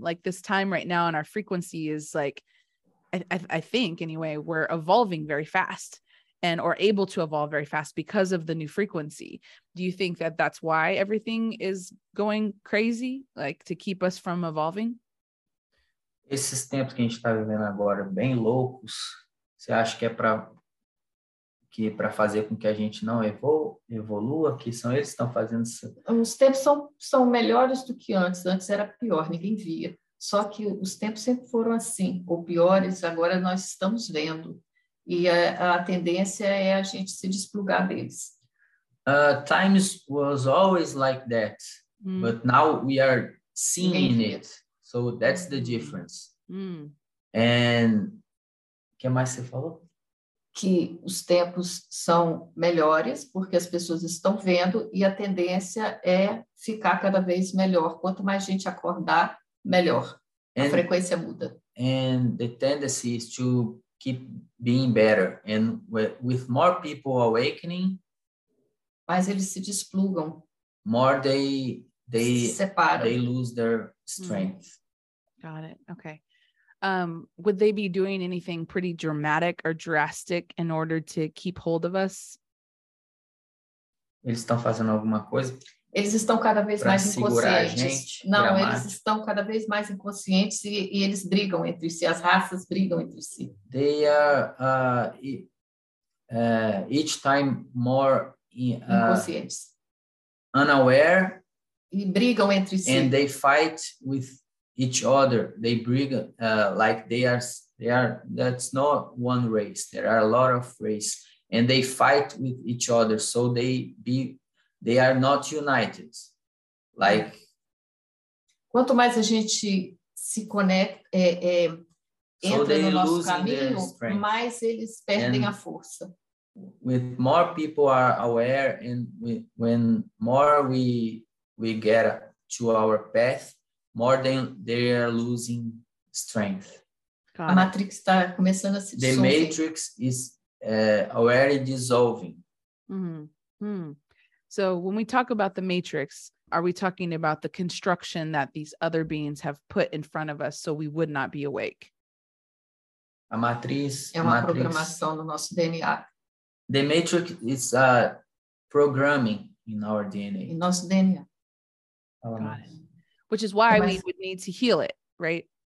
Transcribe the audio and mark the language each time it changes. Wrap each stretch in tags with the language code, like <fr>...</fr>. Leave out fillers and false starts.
<en>Like this time right now in our frequency is like, I think anyway, we're evolving very fast and are able to evolve very fast because of the new frequency. Do you think that that's why everything is going crazy, like to keep us from evolving?</en> <pt>Esses tempos que a gente está vivendo agora, bem loucos, você acha que é para que para fazer com que a gente não evolua, que são eles que estão fazendo isso? Os tempos são melhores do que antes. Antes era pior, ninguém via. Só que os tempos sempre foram assim, ou piores, agora nós estamos vendo. E a tendência é a gente se desplugar deles.</pt> <en>Times was always like that, but now we are seeing it. So that's the difference. And</en> <pt>o que mais você falou? Que os tempos são melhores, porque as pessoas estão vendo, e a tendência é ficar cada vez melhor. Quanto mais gente acordar, melhor. A frequência muda.</pt> <en>And the tendency is to keep being better. And with more people awakening...</en> <pt>Mas eles se desplugam.</pt> <en>More they</en> <pt>se separam.</pt> <en>They lose their strength. Got it. Okay. Would they be doing anything pretty dramatic or drastic in order to keep hold of us?</en> <pt>Eles estão fazendo alguma coisa? Eles estão cada vez mais inconscientes. Não, eles estão cada vez mais inconscientes e eles brigam entre si. As raças brigam entre si.</pt> <en>They are each time more</en> <pt>inconscientes.</pt> <en>Unaware.</en> <pt>E brigam entre si.</pt> <en>And they fight with each other, they bring like they are that's not one race, there are a lot of race, and they fight with each other, so they are not united. Like</en> <pt>quanto mais a gente se conecta entra no nosso caminho, mais eles perdem a força.</pt> <en>With more people are aware, and when more we get to our path, more than they are losing strength.</en> <pt>A matrix está começando a se dissolver.</pt> <en>The matrix is already dissolving. Mm-hmm. So when we talk about the matrix, are we talking about the construction that these other beings have put in front of us so we would not be awake?</en> <pt>A matrix... É uma programação no nosso DNA.</pt> <en>The matrix is programming in our DNA.</en> <pt>In nosso DNA.</pt> <en>Which is why we would need to heal it, right?</en>